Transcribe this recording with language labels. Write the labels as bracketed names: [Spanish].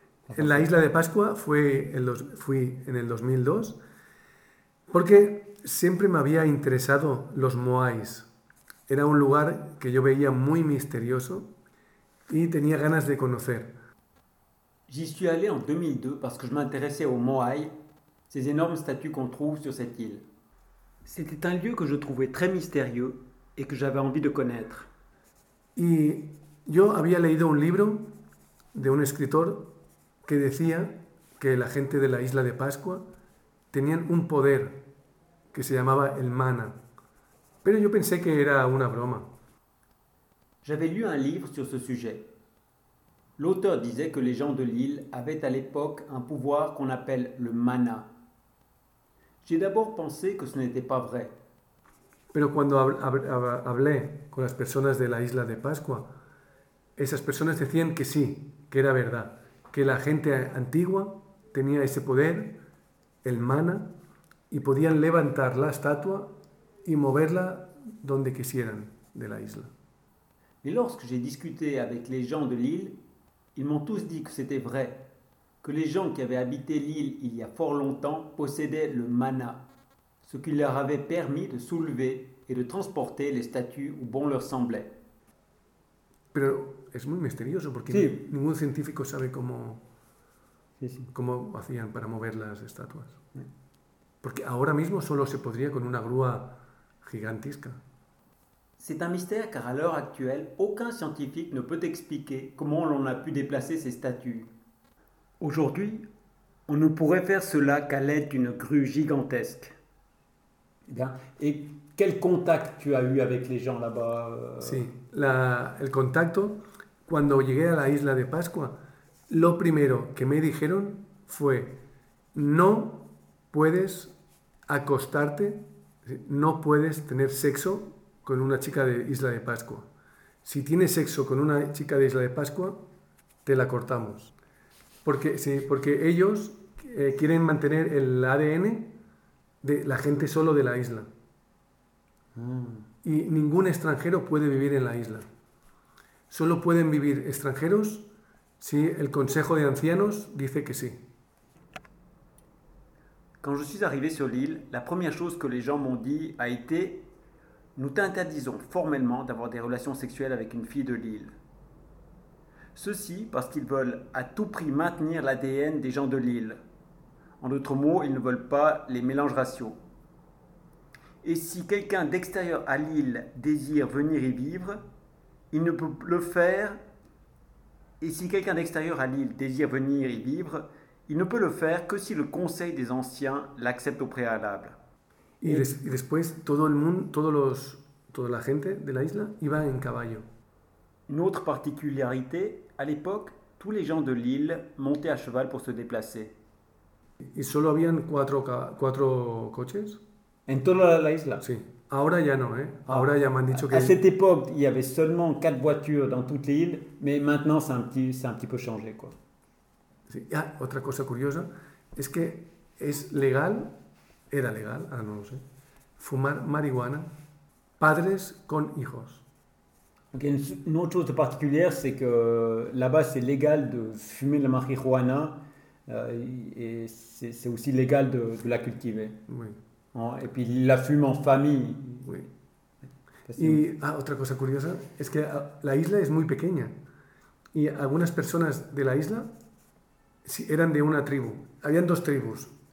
[Spanish] En la isla de Pascua, fui en el 2002, porque siempre me había interesado los Moais. Era un lugar que yo veía muy misterioso y tenía ganas de conocer. [French] J'y suis allé en 2002 parce que je m'intéressais aux Moai, ces énormes statues qu'on trouve sur cette île. C'était un lieu que je trouvais très mystérieux, et que j'avais envie de connaître. [Spanish] Y yo había leído un libro de un escritor que decía que la gente de la isla de Pascua tenían un poder que se llamaba el mana. Pero yo pensé que era una broma. [French] J'avais lu un livre sur ce sujet. L'auteur disait que les gens de l'île avaient à l'époque un pouvoir qu'on appelle le mana. J'ai d'abord pensé que ce n'était pas vrai. [Spanish] Pero cuando hablé con las personas de la isla de Pascua, esas personas decían que sí, que era verdad, que la gente antigua tenía ese poder, el mana, y podían levantar la estatua y moverla donde quisieran de la isla. [French] Y lorsque j'ai discuté avec les gens de l'île, ils m'ont tous dit que c'était vrai, que les gens qui avaient habité l'île il y a fort longtemps possédaient le mana. Ce qui leur avait permis de soulever et de transporter les statues où bon leur semblait. [Spanish] Pero es muy misterioso porque sí. Ningún científico sabe cómo cómo hacían para mover las estatuas. Porque ahora mismo solo se podría con una grúa gigantesca. [French] C'est un mystère car à l'heure actuelle, aucun scientifique ne peut expliquer comment l'on a pu déplacer ces statues. Aujourd'hui, on ne pourrait faire cela qu'à l'aide d'une grue gigantesque. Bien. Et quel contact tu as eu avec les gens là-bas? [Spanish] Sí, el contacto, cuando llegué a la isla de Pascua, lo primero que me dijeron fue, no puedes acostarte, no puedes tener sexo con una chica de isla de Pascua. Si tienes sexo con una chica de isla de Pascua, te la cortamos. Porque, sí, porque ellos quieren mantener el ADN de la gente solo de la isla. Y ningún extranjero puede vivir en la isla. Solo pueden vivir extranjeros si el Consejo de Ancianos dice que sí. [French] Quand je suis arrivé sur l'île, la première chose que les gens m'ont dit a été Nous t'interdisons formellement d'avoir des relations sexuelles avec une fille de l'île. Ceci parce qu'ils veulent à tout prix maintenir l'ADN des gens de l'île. En d'autres mots, ils ne veulent pas les mélanges raciaux. Et si quelqu'un d'extérieur à l'île désire venir y vivre, il ne peut le faire. Et si quelqu'un d'extérieur à l'île désire venir y vivre, il ne peut le faire que si le conseil des anciens l'accepte au préalable. [Spanish] Y después todo el mundo, toda la gente de la isla iba en caballo. [French] Une autre particularité, à l'époque, tous les gens de l'île montaient à cheval pour se déplacer. [Spanish] Y solo habían cuatro coches. En toda la isla. Sí. Ahora ya no, ¿eh? Ahora ya me han dicho que. [French] À cette époque, il y avait seulement quatre voitures dans toute l'île, mais maintenant c'est un petit peu changé, quoi. [Spanish] Sí. Ah, otra cosa curiosa es que es legal. Era legal, ahora no lo sé, fumar marihuana, padres con hijos. [French] Okay, une autre chose particulière, c'est que là-bas, c'est légal de fumer de la marijuana et c'est aussi légal de la cultiver. Oui. Et puis, il la fume en famille. Oui. [Spanish] Y, otra cosa curiosa, es que la isla es muy pequeña. Y algunas personas de la isla eran de una tribu. Habían dos tribus.